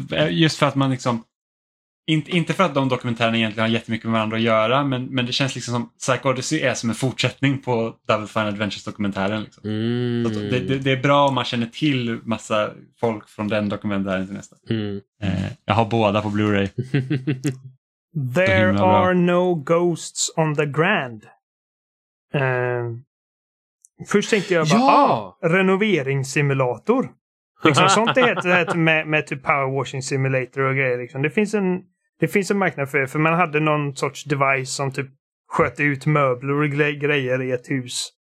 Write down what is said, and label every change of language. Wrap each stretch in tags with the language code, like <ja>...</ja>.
<sv>Just för att man liksom... Inte för att de dokumentärerna egentligen har jättemycket med varandra att göra, men det känns liksom som Psycho Odyssey är som en fortsättning på Double Fine Adventures-dokumentären. Liksom. Mm. Så det är bra om man känner till massa folk från den dokumentären till nästa. Mm. Jag har båda på Blu-ray.</sv> <en>There are no ghosts on the Grand.</en> <sv>Först tänkte jag bara, renoveringssimulator. Liksom, sånt heter med typ Power Washing Simulator och grejer. Liksom. Det finns en marknad för det, för man hade någon sorts device som typ sköt ut möbler och grejer i ett hus.</sv>